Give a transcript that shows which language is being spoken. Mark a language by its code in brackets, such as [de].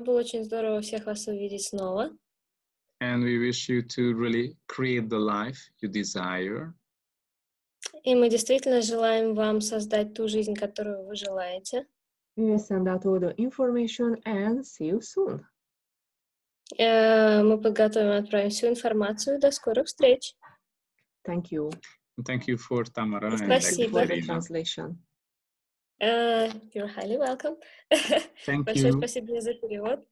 [ru] Было очень здорово всех вас увидеть снова. [en] And we wish you to really create the life you desire. [ru] И мы действительно желаем вам создать ту жизнь, которую вы желаете. [en] We send out all the information and see you soon. [ru] Мы подготовим и отправим всю информацию. До скорых встреч. [en] Thank you. Thank you for Tamara. [ru] Спасибо. [en] And for the translation. You're highly welcome. Thank [ru] большое Большое спасибо за перевод.